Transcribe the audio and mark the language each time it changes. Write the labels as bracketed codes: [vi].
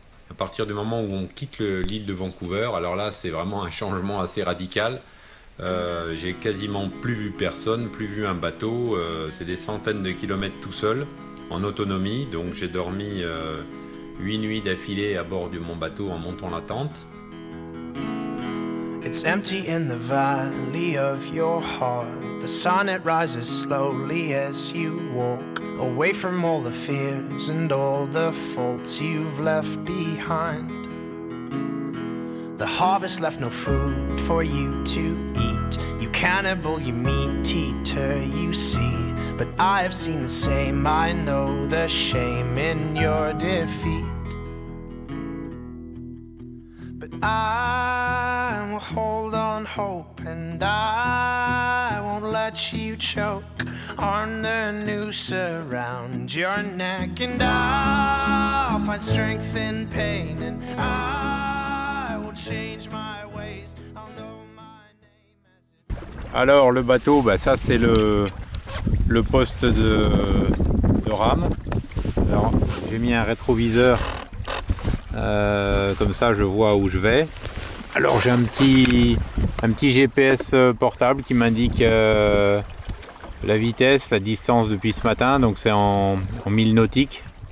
[fr] À partir du moment où on quitte l'île de Vancouver, alors là c'est vraiment un changement assez radical. J'ai quasiment plus vu personne, plus vu un bateau. C'est des centaines de kilomètres tout seul, en autonomie. Donc j'ai dormi 8 nuits d'affilée à bord de mon bateau en montant la tente. [en] It's empty in the valley of your heart. The sun, it rises slowly as you walk away from all the fears and all the faults you've left behind. The harvest left no food for you to eat. You cannibal, you meat eater, you see. But I have seen the same, I know the shame in your defeat. But I will hold on hope, and I won't let you choke on the noose around your neck. And I'll find strength in pain, and I will change my ways. I'll know my name as it... [fr] Alors, le bateau, bah ça c'est le poste de rame. Alors, j'ai mis un rétroviseur, comme ça je vois où je vais. Alors j'ai un petit GPS portable qui m'indique la vitesse, la distance depuis ce matin, donc c'est en 1000 nautiques.